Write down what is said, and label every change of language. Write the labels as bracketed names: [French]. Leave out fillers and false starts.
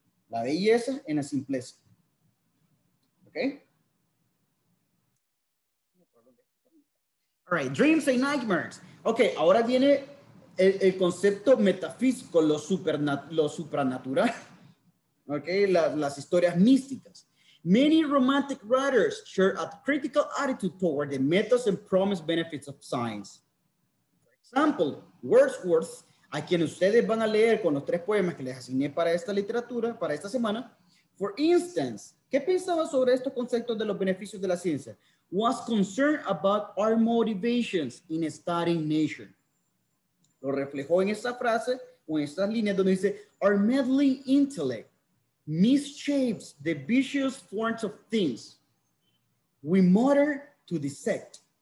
[Spanish] La belleza en la simpleza. ¿Ok? [English] All right, dreams and nightmares. [Spanish] Ok, ahora viene el concepto metafísico, lo supranatural. Okay, las historias místicas. [English] Many romantic writers share a critical attitude toward the methods and promised benefits of science. For example, [Spanish] Wordsworth, a quien ustedes van a leer con los tres poemas que les asigné para esta literatura, para esta semana. [English] For instance, [Spanish] ¿qué pensaba sobre estos conceptos de los beneficios de la ciencia? [English] Was concerned about our motivations in studying nature. [Spanish] Lo reflejó en esa frase o en estas líneas donde dice, [English] our meddling intellect misshapes the vicious forms of things. We mutter to dissect.